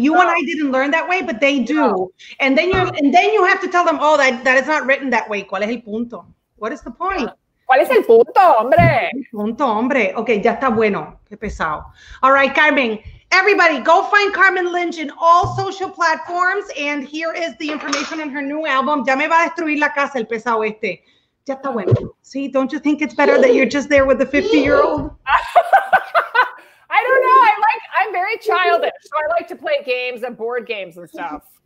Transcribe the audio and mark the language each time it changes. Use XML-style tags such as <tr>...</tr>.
<en>And I didn't learn that way, but they do. Yeah. And then you have to tell them, oh, that is not written that way.</en> <es>¿Cuál es el punto?</es> <en>What is the point? Yeah.</en> <es>¿Cuál es el punto, hombre? Punto, hombre.</es> <en>Okay,</en> <es>ya está bueno. Qué pesado.</es> <en>All right, Carmen. Everybody, go find Carmen Lynch in all social platforms. And here is the information on her new album.</en> <es>Ya me va a destruir la casa el pesado este. Ya está bueno.</es> <en>See, don't you think it's better that you're just there with the 50-year-old? I don't know. I'm very childish. So I like to play games and board games and stuff.</en>